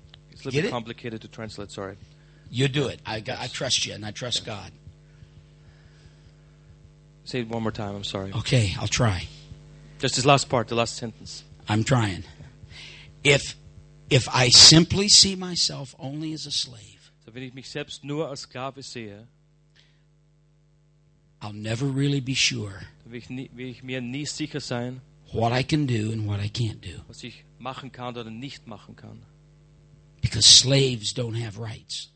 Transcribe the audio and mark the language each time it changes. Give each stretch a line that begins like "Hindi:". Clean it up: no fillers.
English: It's a little bit complicated to translate, sorry. You do it. I trust you and I trust God. Say it one more time, I'm sorry. Okay, I'll try. Just this last part, the last sentence. I'm trying. If I simply see myself only as a slave,
German: so wenn ich mich selbst nur als Sklave sehe,
English: I'll never really be sure,
German: will ich mir nie sicher sein,
English: what I can do and what I can't do.
German: Was ich machen kann oder nicht machen kann.
English: Because slaves don't have rights.